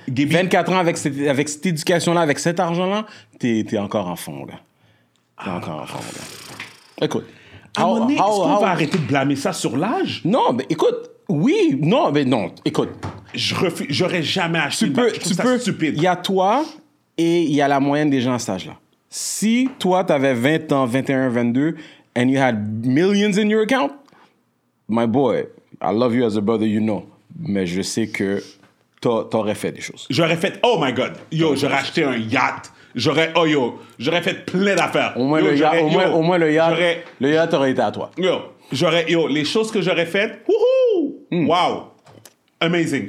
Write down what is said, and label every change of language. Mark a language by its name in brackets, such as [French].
[French] 24 ans avec cette éducation-là, avec cet argent-là, t'es encore en fond, là. T'es encore en fond, là. Écoute. Est-ce qu'on va arrêter de blâmer ça sur l'âge? Non, mais écoute. Oui, non, mais non. Écoute. J'aurais jamais acheté une bague. Tu peux, stupide. Il y a toi et il y a la moyenne des gens à cet âge-là. Si toi, t'avais 20 ans, 21, 22, [English] and you had millions in your account, my boy, I love you as a brother, you know. [French] Mais je sais que t'aurais fait des choses. J'aurais fait, [English] oh my God, [French] yo, j'aurais acheté un yacht. J'aurais fait plein d'affaires. Au moins le yacht aurait été à toi. Yo, les choses que j'aurais faites, [English] wow, amazing.